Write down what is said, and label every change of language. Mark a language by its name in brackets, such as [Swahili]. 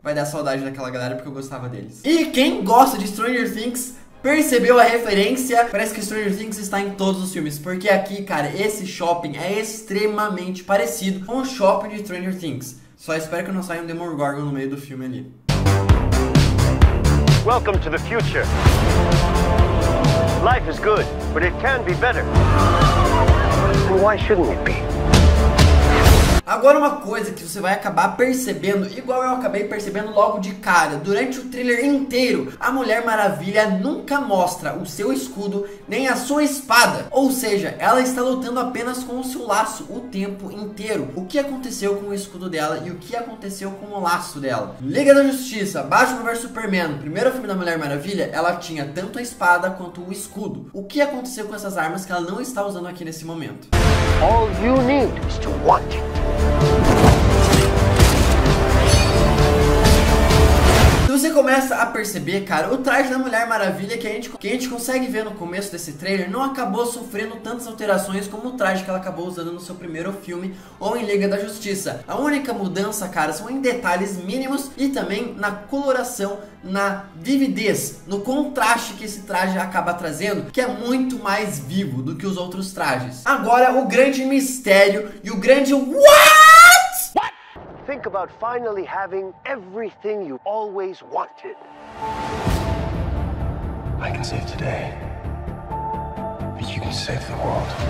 [Portuguese] Vai dar saudade daquela galera, porque eu gostava deles. E quem gosta de Stranger Things percebeu a referência? Parece que Stranger Things está em todos os filmes, porque aqui, cara, esse shopping é extremamente parecido com o shopping de Stranger Things. Só espero que não saia um Demogorgon no meio do filme ali. [English] Welcome to the future. Life is good, but it can be better. And why shouldn't it be? [Portuguese] Agora, uma coisa que você vai acabar percebendo, igual eu acabei percebendo logo de cara, durante o trailer inteiro, a Mulher Maravilha nunca mostra o seu escudo nem a sua espada. Ou seja, ela está lutando apenas com o seu laço o tempo inteiro. O que aconteceu com o escudo dela e o que aconteceu com o laço dela? Liga da Justiça, Batman vs Superman, primeiro filme da Mulher Maravilha, ela tinha tanto a espada quanto o escudo. O que aconteceu com essas armas que ela não está usando aqui nesse momento? [English] All you need is to want it. [Portuguese] Se você começa a perceber, cara, o traje da Mulher Maravilha que a gente consegue ver no começo desse trailer não acabou sofrendo tantas alterações como o traje que ela acabou usando no seu primeiro filme ou em Liga da Justiça. A única mudança, cara, são em detalhes mínimos e também na coloração, na vividez, no contraste que esse traje acaba trazendo, que é muito mais vivo do que os outros trajes. Agora, o grande mistério e o grande what? [English] Think about finally having everything you always wanted. I can save today, but you can save the world.